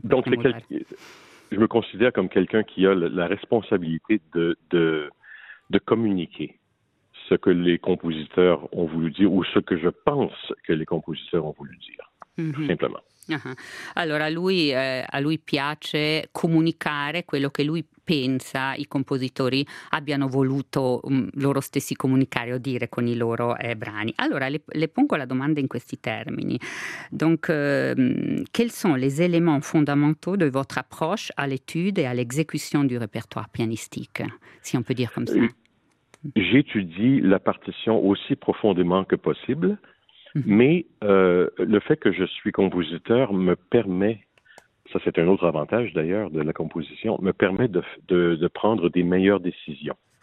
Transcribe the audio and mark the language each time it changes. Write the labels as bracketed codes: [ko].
[fr] Donc, je me considère comme quelqu'un qui a la responsabilité de communiquer ce que les compositeurs ont voulu dire, ou ce que je pense que les compositeurs ont voulu dire, tout simplement. [it] Allora, a lui piace comunicare quello che lui pensa i compositori abbiano voluto loro stessi comunicare o dire con i loro brani. Allora le pongo la domanda in questi termini. [fr] Donc, quels sont les éléments fondamentaux de votre approche à l'étude et à l'exécution du répertoire pianistique, si on peut dire comme ça? J'étudie la partition aussi profondément que possible, mais le fait que je suis compositeur me permet, ça c'est un autre avantage d'ailleurs de la composition, me permet de prendre des meilleures décisions.